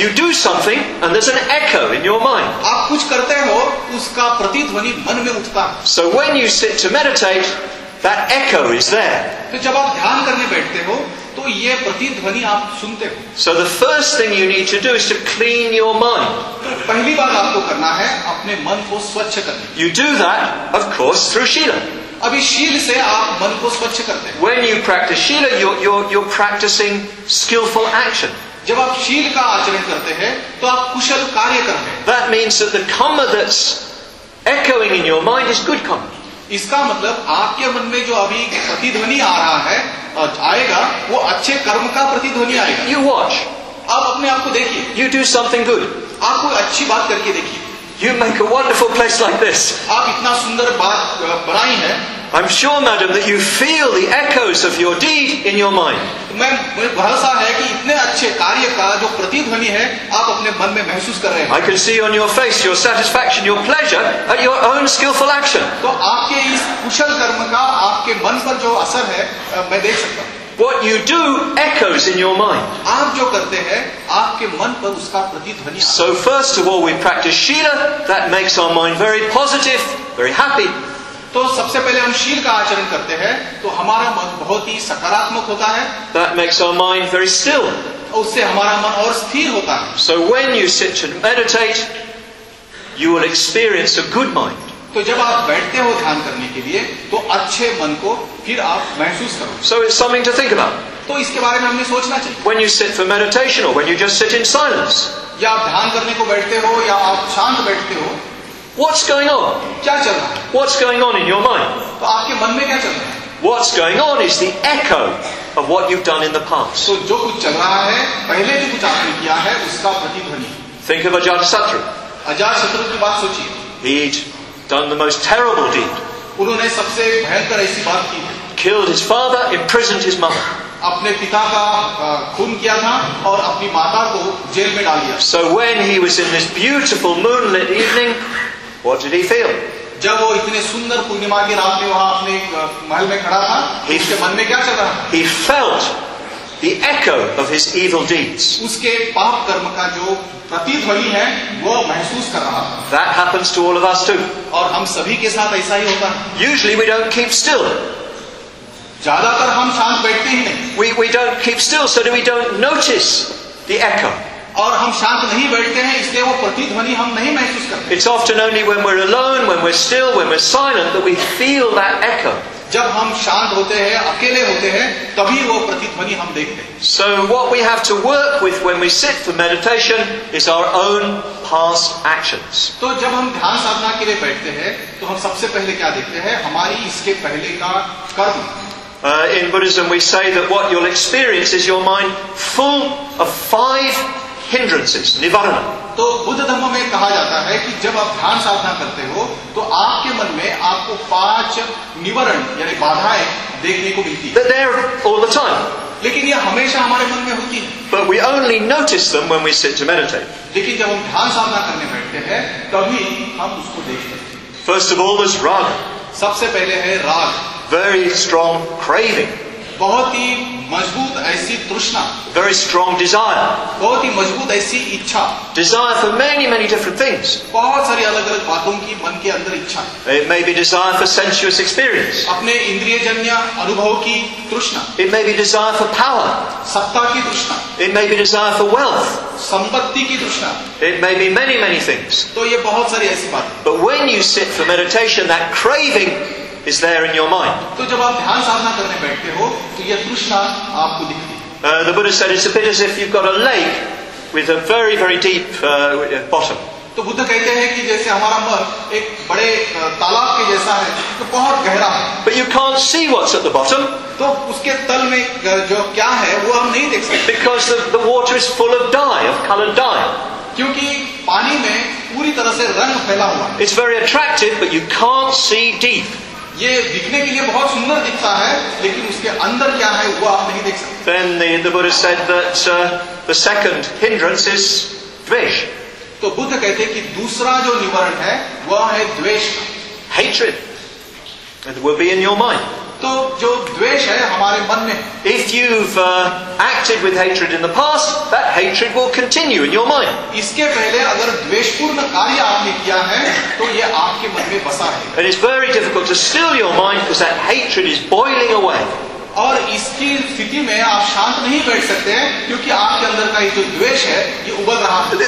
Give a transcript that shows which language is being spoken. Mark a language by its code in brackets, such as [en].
[en] You do something and there's an echo in your mind. [hi] आप कुछ करते हो उसका प्रतिध्वनि मन में उठता है. [en] So when you sit to meditate, that echo is there. [hi] तो जब आप ध्यान करने बैठते हो तो ये प्रतिध्वनि आप सुनते हो. [en] So the first thing you need to do is to clean your mind. [hi] तो पहली बात आपको करना है अपने मन को स्वच्छ करना. [en] You do that, of course, through Shila. [hi] अभी शील से आप मन को स्वच्छ करते हैं. [en] When you practice Shila, you're practicing skillful action. [hi] जब आप शील का आचरण करते हैं तो आप कुशल कार्य कर रहे हैं. [en] That means that the karma that's echoing in your mind is good karma. [hi] इसका मतलब आपके मन में जो अभी प्रतिध्वनि आ रहा है आएगा वो अच्छे कर्म का प्रतिध्वनि आएगा. [en] You watch. [hi] आप अपने आप को देखिए. [en] You do something good. [hi] आप कोई अच्छी बात करके देखिए. [en] You make a wonderful place like this. [hi] आप इतना सुंदर बात बनाई है. [en] I'm sure, madam, that you feel the echoes of your deed in your mind. [hi] मैं मुझे भरोसा है कि इतने अच्छे कार्य का जो प्रतिध्वनि है आप अपने मन में महसूस कर रहे हैं. [en] I can see on your face your satisfaction, your pleasure at your own skillful action. [hi] तो आपके इस कुशल कर्म का आपके मन पर जो असर है मैं देख सकता हूँ. [en] What you do echoes in your mind. [hi] आप जो करते हैं आपके मन पर उसका प्रतिध्वनि. [en] So first of all, we practice Shila. That makes our mind very positive, very happy. [hi] तो सबसे पहले हम शील का आचरण करते हैं तो हमारा मन बहुत ही सकारात्मक होता है. [en] That makes our mind very still. [hi] उससे हमारा मन और स्थिर होता है. [en] So when you sit and meditate, you will experience a good mind. [hi] तो जब आप बैठते हो ध्यान करने के लिए तो अच्छे मन को फिर आप महसूस करो. [en] So it's something to think about. [hi] तो इसके बारे में हमें सोचना चाहिए. [en] When you sit for meditation or when you just sit in silence. [hi] या आप ध्यान करने को बैठते हो या आप शांत बैठते हो. [en] What's going on? [hi] क्या चल रहा? [en] What's going on in your mind? [hi] तो आपके मन में क्या चल रहा? [en] What's going on is the echo of what you've done in the past. [hi] तो जो कुछ चल रहा है पहले भी कुछ आपने किया है उसका प्रतिध्वनि. [en] Think of Ajatasatru. [hi] अजातशत्रु की बात सोचिए. [en] He'd done the most terrible deed. [hi] उन्होंने सबसे भयंकर ऐसी बात की. [en] Killed his father, imprisoned his mother. [hi] अपने पिता का खून किया था और अपनी माता को जेल में डाल दिया. [en] So when he was in this beautiful moonlit evening, what did he feel? [hi] जब वो इतने सुंदर पूर्णिमा की रात में वहाँ अपने महल में खड़ा था, उसके मन में क्या चल रहा? [en] He felt the echo of his evil deeds. [hi] उसके पाप कर्म का जो प्रतिध्वनि है, वो महसूस कर रहा. [en] That happens to all of us too. [hi] और हम सभी के साथ ऐसा ही होता. [en] Usually we don't keep still. [hi] ज्यादातर हम शांत बैठते ही नहीं. [en] We don't keep still, so we don't notice the echo. [hi] और हम शांत नहीं बैठते हैं इसलिए वो प्रतिध्वनि हम नहीं महसूस करते. [en] It's often only when we're alone, when we're still, when we're silent that we feel that echo. [hi] जब हम शांत होते हैं अकेले होते हैं तभी वो प्रतिध्वनि हम देखते हैं. [en] So what we have to work with when we sit for meditation is our own past actions. [hi] तो जब हम ध्यान साधना के लिए बैठते हैं तो हम सबसे पहले क्या देखते हैं? हमारी इसके पहले का कर्म. [en] In Buddhism we say that what you'll experience is your mind full of five hindrances, nivarana. [hi] तो बुद्ध धर्म में कहा जाता है कि जब आप ध्यान साधना करते हो तो आपके मन में आपको पांच निवारण यानी बाधाएं देखने को मिलती है. [en] They're all the time. [hi] लेकिन ये हमेशा हमारे मन में होती है. [en] But we only notice them when we sit to meditate. [hi] लेकिन जब हम ध्यान साधना करने बैठते हैं तभी हम उसको देखते हैं. [en] First of all, there's raga. [hi] सबसे पहले है राग. [en] Very strong craving. [hi] बहुत ही मजबूत ऐसी तृष्णा. [en] Very strong desire. [hi] बहुत ही मजबूत ऐसी इच्छा. [en] Desire for many, many different things. [hi] बहुत सारी अलग अलग बातों की मन के अंदर इच्छा. [en] It may be desire for sensuous experience. [hi] अपने इंद्रियजन्य अनुभव की तृष्णा. [en] It may be desire for power. [hi] सत्ता की तृष्णा. [en] It may be desire for wealth. [hi] संपत्ति की तृष्णा. [en] It may be many, many things. [hi] तो ये बहुत सारी ऐसी बात. [en] But when you sit for meditation, that craving is there in your mind. [hi] तो जब आप ध्यान साधना करने बैठते हो तो यह तृष्णा आपको दिखती है. [en] The Buddha said it's a bit as if you've got a lake with a very, very deep bottom. [hi] तो बुद्ध कहते हैं कि जैसे हमारा मन एक बड़े तालाब के जैसा है तो बहुत गहरा है. [en] But you can't see what's at the bottom. [hi] तो उसके तल में जो क्या है वो हम नहीं देख सकते. [en] Because the water is full of dye, of colored dye. [hi] क्योंकि पानी में पूरी तरह से रंग फैला हुआ. [en] It's very attractive, but you can't see deep. [hi] ये दिखने के लिए बहुत सुंदर दिखता है लेकिन उसके अंदर क्या है वो आप नहीं देख सकते. [en] Then the Buddha said that the second hindrance is dvesha. [hi] तो बुद्ध कहते हैं कि दूसरा जो निवारण है वह है द्वेष. [en] Hatred. It will be in your mind. [hi] तो जो द्वेष है हमारे मन में. [en] If you've acted with hatred in the past, that hatred will continue in your mind. [hi] इसके पहले अगर द्वेषपूर्ण कार्य आपने किया है तो ये आपके मन में बसा है. [en] And it's very difficult to still your mind because that hatred is boiling away. [hi] और इसकी स्थिति में आप शांत नहीं बैठ सकते क्योंकि आपके अंदर का ये जो द्वेष है ये उबल रहा है.